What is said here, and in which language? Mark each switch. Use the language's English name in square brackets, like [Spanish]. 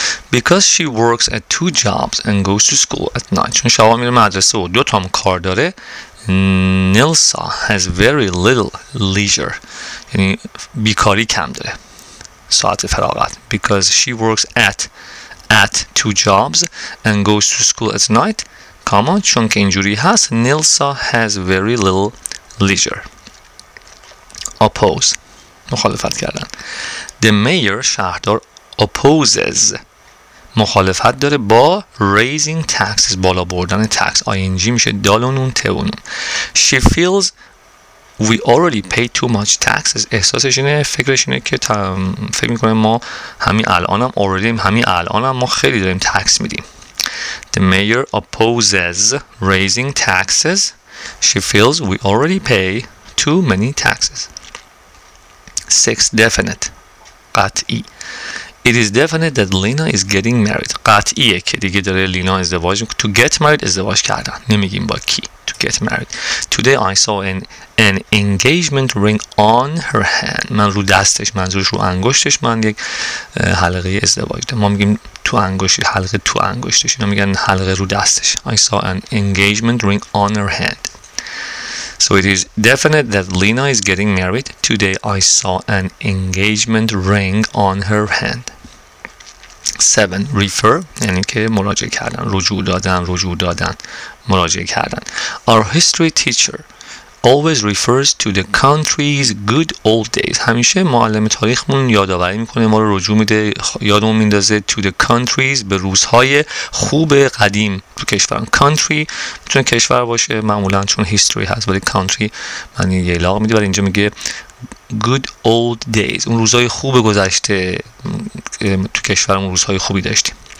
[English] Because she works at two jobs and goes to school at night. [Persian] چون شبا میره مدرسه و دو تا هم کار داره. [English] Nilsa has very little leisure. [Persian] یعنی بیکاری کم داره. ساعت فراغت. [English] Because she works at two jobs and goes to school at night, comma, [Persian] چون که اینجوری هست، [English] Nilsa has very little leisure. [Persian] Oppose, مخالفت کردن. [English] The mayor, شهردار، opposes، [Persian] مخالفت داره با [English] raising taxes، [Persian] بالا بردن [English] tax. ing میشه دالونون تهونون. She feels we already pay too much taxes. [Persian] احساسش اینه، فکرش اینه که فکر میکنه ما همین الانم ما خیلی داریم تکس میدیم. [English] The mayor opposes raising taxes. She feels we already pay too many taxes. 6. [Persian] Definite, قطعی. [English] It is definite that Lena is getting married. [Persian] قطعیه که دیگه داره لینا ازدواج میکنه. [English] To get married, [Persian] ازدواج کردن. نمیگیم با کی. [English] To get married. Today I saw an engagement ring on her hand. [Persian] من رو دستش، منظورش رو انگشتش، من یک حلقه ازدواج دارم. ما میگیم تو انگشتش، حلقه تو انگشتش. اینا میگن حلقه رو دستش. [English] I saw an engagement ring on her hand. So it is definite that Lena is getting married. Today I saw an engagement ring on her hand. 7. [Persian] Refer, یعنی که مراجعه کردن، رجوع دادن، مراجعه کردن. [English] Our history teacher always refers to the country's good old days. [Persian] همیشه معلم تاریخمون یادآوری میکنه، ما رو رجوع میده، یادمون میندازه [English] to the countries، [Persian] به روزهای خوب قدیم تو کشور. Country میتونه کشور باشه معمولا، چون history هست، ولی country معنی یه علاق میده، ولی اینجا میگه [English] good old days، [Persian] اون روزهای خوب گذشته تو کشورمون روزهای خوبی داشتیم.